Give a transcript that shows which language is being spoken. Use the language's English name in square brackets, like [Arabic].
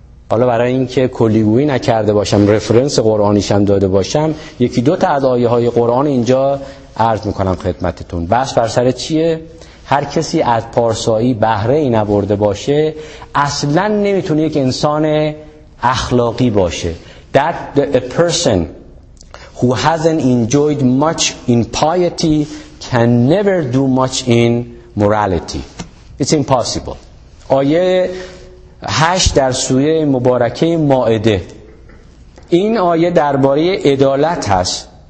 [Persian] حالا برای اینکه کلیگویی نکرده باشم، رفرنس قرآنیشم داده باشم، یکی دو تا از آیه های قرآن اینجا عرض میکنم خدمتتون. بس بر سر چیه؟ هر کسی از پارسایی بهره ای نبرده باشه اصلا نمیتونه یک انسان اخلاقی باشه. [English] That a person who hasn't enjoyed much in piety can never do much in morality. It's impossible. [Persian] آیه 8 در سوره مبارکه مائده، این آیه درباره عدالت هست.